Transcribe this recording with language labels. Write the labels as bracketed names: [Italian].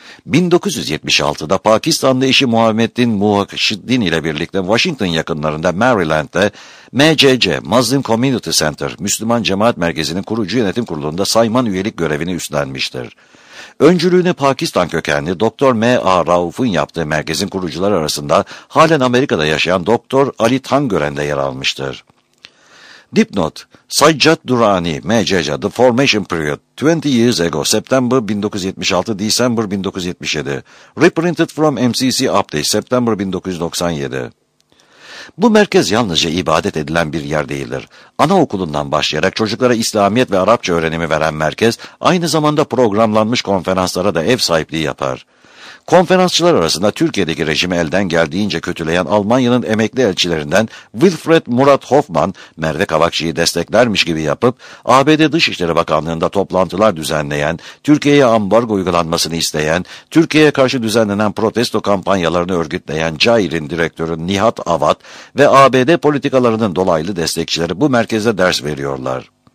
[Turkish] 1976'da Pakistanlı eşi Muhammedin Mukşihiddin ile birlikte Washington yakınlarında Maryland'de MCC, [English] Muslim Community Center, [Turkish] Müslüman Cemaat Merkezi'nin kurucu yönetim kurulunda sayman üyelik görevini üstlenmiştir. Öncülüğünü Pakistan kökenli Dr. M.A. Rauf'un yaptığı merkezin kurucular arasında halen Amerika'da yaşayan Dr. Ali Tangören de yer almıştır. Dipnot, [English] Saccad Durrani, M.C.C. The Formation Period, 20 Years Ago, September 1976, December 1977. Reprinted from MCC Update, September 1997. [Turkish] Bu merkez yalnızca ibadet edilen bir yer değildir. Anaokulundan başlayarak çocuklara İslamiyet ve Arapça öğrenimi veren merkez, aynı zamanda programlanmış konferanslara da ev sahipliği yapar. Konferansçılar arasında Türkiye'deki rejimi elden geldiğince kötüleyen Almanya'nın emekli elçilerinden Wilfried Murat Hoffmann, Merve Kavakçı'yı desteklermiş gibi yapıp, ABD Dışişleri Bakanlığı'nda toplantılar düzenleyen, Türkiye'ye ambargo uygulanmasını isteyen, Türkiye'ye karşı düzenlenen protesto kampanyalarını örgütleyen Cair'in direktörü Nihat Avat ve ABD politikalarının dolaylı destekçileri bu merkeze ders veriyorlar.